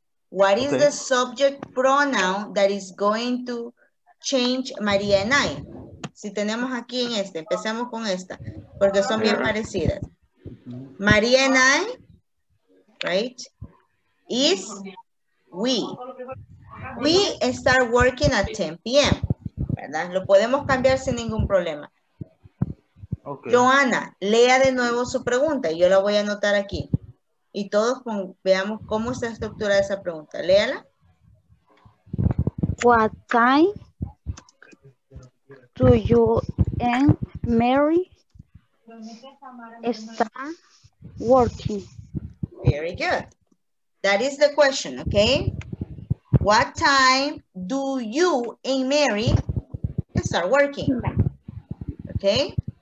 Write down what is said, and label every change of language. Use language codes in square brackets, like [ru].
[en] What is the subject pronoun that is going to change María and I? [es] Si tenemos aquí en este, empecemos con esta, porque son bien parecidas. [en] María and I, right, is we. We start working at 10 p.m., ¿verdad? [es] Lo podemos cambiar sin ningún problema. [en] Okay. [es] Joana, lea de nuevo su pregunta. Yo la voy a anotar aquí. Y todos veamos cómo está estructurada esa pregunta. Léala. [en] What time do you and Mary start working? Very good. That is the question, okay? What time do you and Mary start working? Okay?